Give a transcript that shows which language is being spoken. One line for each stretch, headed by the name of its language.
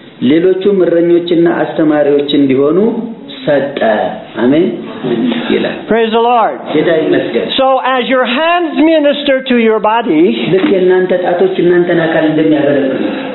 Amharic: ሌሎቹ ምረኞችና አስተማሪዎች እንዲሆኑ ሰጠ አሜን ይላል
English: Praise the Lord. So as your hands minister to your body,
Amharic: ለእናንተ ጣቶች እናንተን አካል እንደሚያገለግሉ